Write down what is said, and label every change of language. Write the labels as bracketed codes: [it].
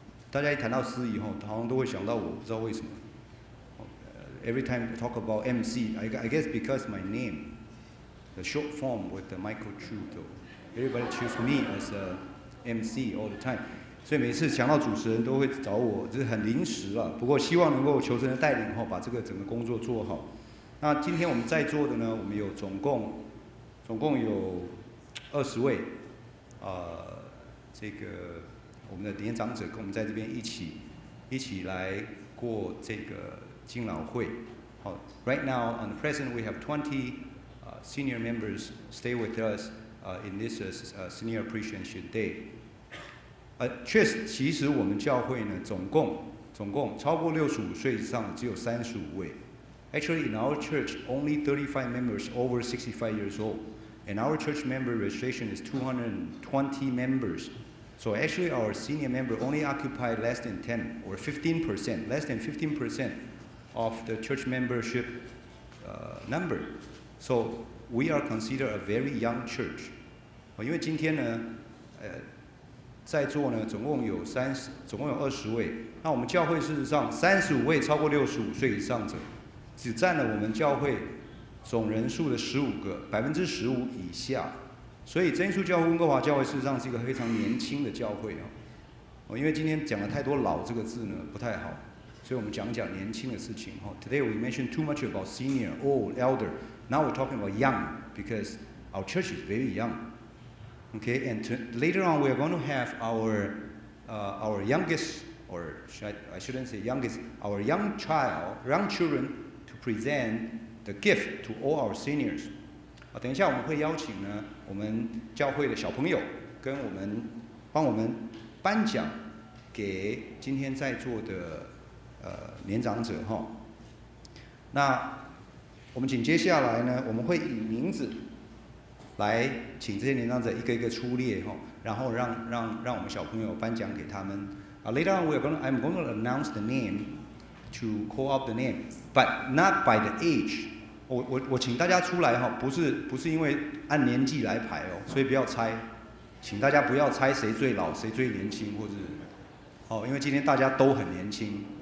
[zh] 大家一谈到司仪，好像都会想到我，不知道为什么。 [en] Every time we talk about MC, I guess because my name, the short form with the Michael Trudeau, everybody choose me as a MC all the time. [zh] 所以每次想到主持人都会找我，这是很临时啊。不过希望能够求神的带领后，把这个整个工作做好。那今天我们在座的呢，我们有总共有20位，这个我们的年长者跟我们在这边一起来过这个敬老会。 [en] 好 ，Right now on the present we have 20 senior members stay with us in this senior appreciation day。 [zh] 其实我们教会呢，总共超过65岁以上只有35位。 [en] Actually, in our church, only 35 members over 65 years old. And our church member registration is 220 members. So actually, our senior member only occupy less than 10 or 15%, less than 15% of the church membership number. So we are considered a very young church. [zh] 因为今天呢，在座呢，总共有20位。那我们教会事实上35位超过65岁以上者，只占了我们教会总人数的15%，15%以下。所以真耶稣教会温哥华教会事实上是一个非常年轻的教会哦。因为今天讲了太多老这个字呢不太好，所以我们讲年轻的事情哦。 [en] Today we mentioned too much about senior, old, elder. Now we're talking about young because our church is very young. Okay, and later on, we are going to have our youngest, or I shouldn't say youngest, our young children to present the gift to all our seniors. [zh] 等一下我们会邀请呢，我们教会的小朋友跟我们帮我们颁奖给今天在座的年长者哈。那我们紧接下来呢，我们会以名字来请这些年长者一个一个出列，然后 让我们小朋友颁奖给他们。 [en] Later on, I'm going to announce the name to call up the name, but not by the age. [zh] 我请大家出来，不是因为按年纪来排，所以不要猜，请大家不要猜谁最老谁最年轻，或者，因为今天大家都很年轻。